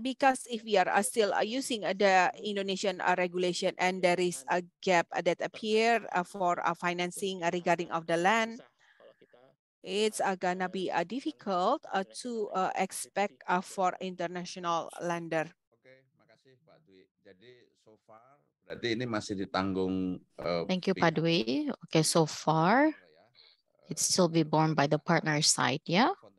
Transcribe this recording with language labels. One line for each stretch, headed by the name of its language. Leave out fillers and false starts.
English: Because if we are still using the Indonesian regulation and there is a gap that appear for financing regarding of the land, it's gonna be difficult to expect for international lender.
Indonesian: Okay, makasih Pak Dwi. Jadi
English: so far
Indonesian: berarti ini masih ditanggung.
English: Thank you, Pak Dwi. Okay, so far it's still be borne by the partner side, yeah.